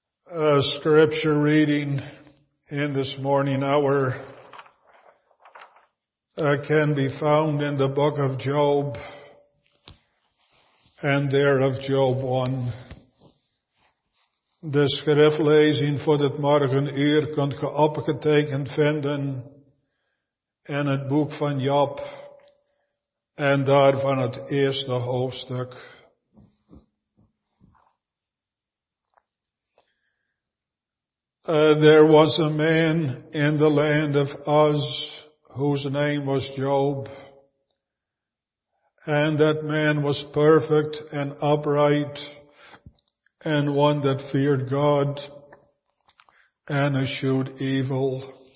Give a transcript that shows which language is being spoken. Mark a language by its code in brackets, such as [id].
[en] A scripture reading in this morning hour can be found in the book of Job, and there of Job 1. [nl] De schriftlezing voor het morgen uur kunt ge opgetekend vinden in het boek van Job en daarvan het eerste hoofdstuk. [en] There was a man in the land of Uz whose name was Job, and that man was perfect and upright, and one that feared God and eschewed evil.